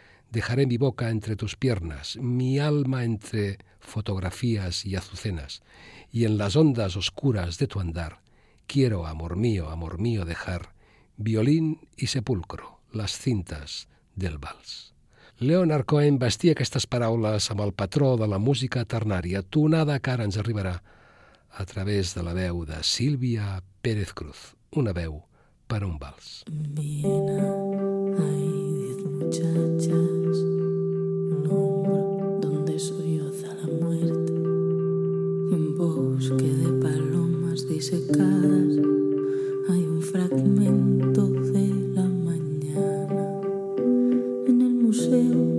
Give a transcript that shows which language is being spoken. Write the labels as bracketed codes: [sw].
[es] Dejaré mi boca entre tus piernas, mi alma entre fotografías y azucenas, y en las ondas oscuras de tu andar quiero, amor mío, dejar violín y sepulcro, las cintas del vals. [ca] Leonard Cohen vestia aquestes paraules amb el patró de la música ternària, tonada que ara ens arribarà a través de la veu de Sílvia Pérez Cruz, una veu per un vals. [es] Viena, hay 10 muchachas, un hombre donde soy hasta la muerte, un bosque de palomas disecadas, hay un fragmento de la mañana en el museo.